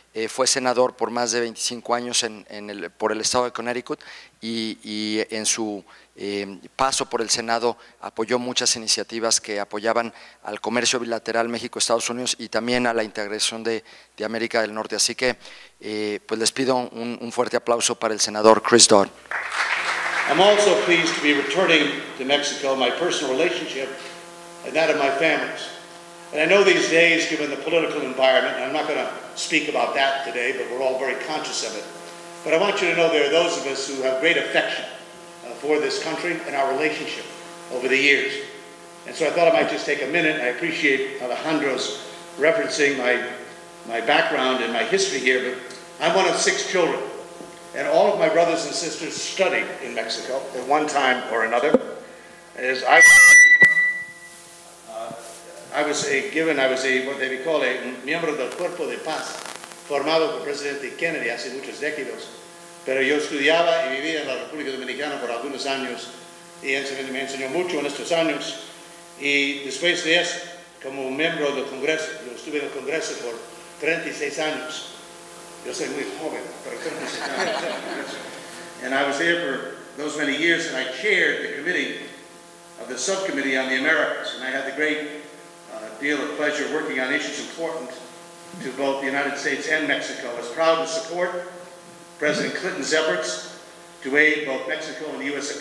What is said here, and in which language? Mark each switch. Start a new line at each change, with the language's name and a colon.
Spanish: Fue senador por más de 25 años por el estado de Connecticut y en su paso por el Senado apoyó muchas iniciativas que apoyaban al comercio bilateral México-Estados Unidos y también a la integración de América del Norte. Así que pues les pido un fuerte aplauso para el senador Chris Dodd.
English: I'm also pleased to be returning to Mexico, my personal relationship and that of my family's. And I know these days, given the political environment, and I'm not going to speak about that today, but we're all very conscious of it. But I want you to know there are those of us who have great affection for this country and our relationship over the years. And so I thought I might just take a minute. I appreciate Alejandro's referencing my background and my history here, but I'm one of six children. And all of my brothers and sisters studied in Mexico at one time or another. I was given what they call a
Spanish: miembro del cuerpo de paz, formado por Presidente Kennedy hace muchos décadas. Pero yo estudiaba y vivía en la República Dominicana por algunos años, y me enseñó mucho en estos años. Y después de eso, como miembro del Congreso, yo estuve en el Congreso por 36 años. Yo soy muy joven, pero 36 años.
English: And I was there for those many years, and I chaired the committee of the subcommittee on the Americas, and I had the great deal of pleasure working on issues important to both the United States and Mexico. I was proud to support President Clinton's efforts to aid both Mexico and the U.S.